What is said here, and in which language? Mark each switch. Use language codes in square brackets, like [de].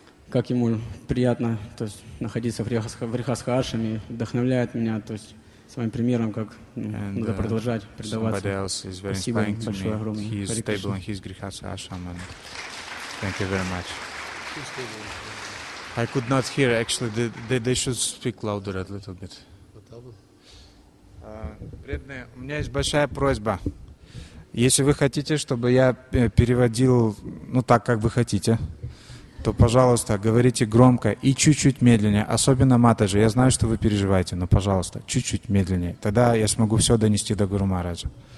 [ru] как ему приятно то есть, находиться в Рихасха Ашраме, вдохновляет меня то есть, своим примером, как надо продолжать предаваться. Спасибо большое, огромное. [en] I could not hear, actually, they should speak louder a little bit. [ru] Преданные, у меня есть большая просьба. Если вы хотите, чтобы я переводил, ну, так, как вы хотите, то, пожалуйста, говорите громко и чуть-чуть медленнее, особенно Матаджи. Я знаю, что вы переживаете, но, пожалуйста, чуть-чуть медленнее. Тогда я смогу все донести до Гуру Махараджа.